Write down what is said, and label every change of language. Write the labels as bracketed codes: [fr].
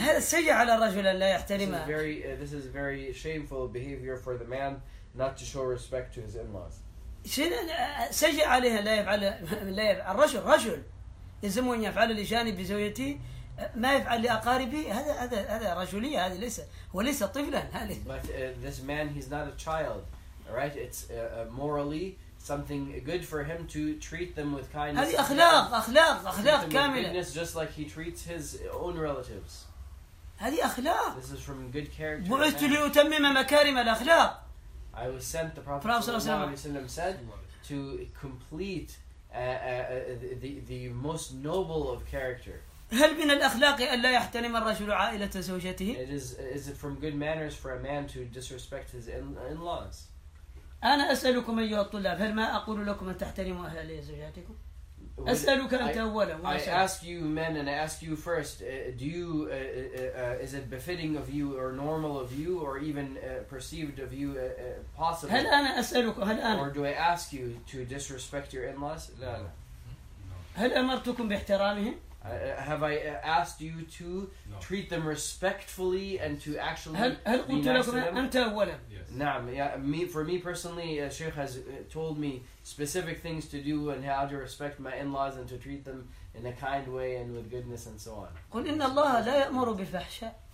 [ar] هذا سيء على الرجل لا يحترمه. [en] This is very shameful behavior for the man not to show respect to his in-laws. [ar] سيء عليها لا يفعل الرجل يلزمه أن يفعل لجانب زوجته ما يفعل لأقاربه هذا رجلية هذه ليس هو ليس طفلا هذه. [en] But this man he's not a child, right? It's morally. Something good for him to treat them with kindness. [ar] هذه أخلاق أخلاق أخلاق كاملة. [en] Kindness just like he treats his own relatives. [ar] هذه أخلاق. [en] This is from good character. [ar] بعثت لأتمم مكارم الأخلاق. [en] I was sent, the Prophet [ar] صلى الله عليه وسلم [en] said, to complete the most noble of character. [ar] هل من الأخلاق أن لا يحترم الرجل عائلة زوجته؟ [en] Is it from good manners for a man to disrespect his in-laws? [ar] أنا أسألكم أيها الطلاب هل ما أقول لكم أن تحترموا أهل زوجاتكم؟ أسألك أنت أولا. [en] I ask you men and I ask you first. Is it befitting of you or normal of you or even perceived of you possible? [ar] هل أنا أسألك هل أنا؟ [en] Or do I ask you to disrespect your in-laws? [ar] لا لا. هل أمرتكم باحترامهم؟ [en] Have I asked you to treat them respectfully and to actually [ar] هل [en] be nice to them? [ar] أنت أولا. [en] Yes. [ar] نعم. [en] Yeah, me, for me personally, Sheikh has told me specific things to do and how to respect my in-laws and to treat them in a kind way and with goodness and so on. [ar] قل إن الله لا يأمر بالفحشاء.